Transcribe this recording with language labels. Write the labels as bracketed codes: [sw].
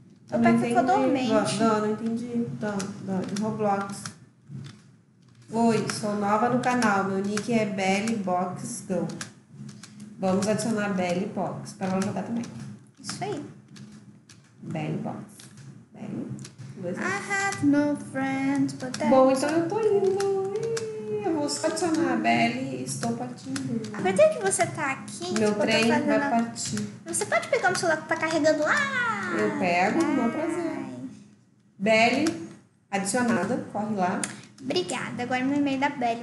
[pt] Meu pai ficou dormente. Não, não entendi. Não, de Roblox. Oi, sou nova no canal. Meu nick é BellyBoxGo. Vamos adicionar BellyBox pra ela jogar também. Isso aí. BellyBox. Belly. [en] I have no friends, but that's... [pt] Bom, então eu tô indo. Vou adicionar a Belly e estou partindo. Aproveita que você tá aqui. Meu trem fazendo... vai partir. Você pode pegar um celular que tá carregando lá? Ah, eu pego, ai. Meu prazer. Belly adicionada, corre lá. Obrigada, agora meu e-mail da Belly.